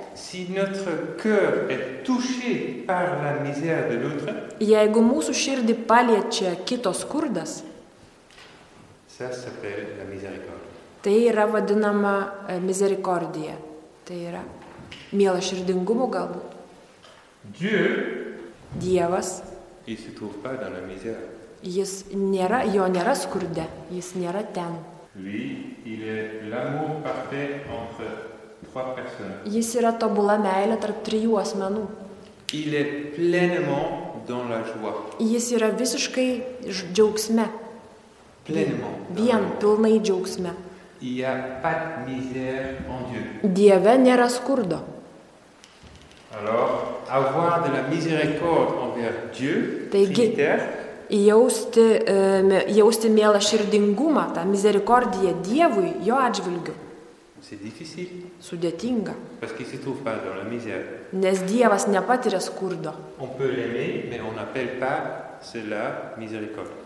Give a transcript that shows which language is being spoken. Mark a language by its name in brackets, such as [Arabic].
[French] si notre cœur est touché par la misère de l'autre, [Lithuanian] jeigu mūsų širdį paliečia kito skurdas, [French] ça s'appelle la miséricorde. [Lithuanian] Tai yra vadinama misericordia. Tai yra mielo širdingumo galbūt. [French] Dieu, [Lithuanian] Dievas, [French] il se trouve pas dans la misère. [Lithuanian] Jis nėra, jo nėra skurde, jis nėra ten. [French] Lui, il est l'amour parfait entre [Lithuanian] Jis yra tobula meilė tarp trijų asmenų. [French] Il est pleinement dans la joie. [Lithuanian] Jis yra visiškai džiaugsme. [French] Pleinement. [Lithuanian] Vien pilnai džiaugsme. [French] Il n'y a pas de misère en Dieu. [Lithuanian] Dieve nėra skurdo. [French] Alors, avoir de la miséricorde envers Dieu, [Lithuanian] taigi, jausti mielą širdingumą, tą misericordiją Dievui, jo atžvilgiu. [French] C'est difficile. [Lithuanian] Sudėtinga. [French] Parce qu'il se trouve pas dans la misère. [Lithuanian] Nes Dievas nepatiria skurdo. [French] On peut l'aimer, mais on n'appelle pas cela miséricorde.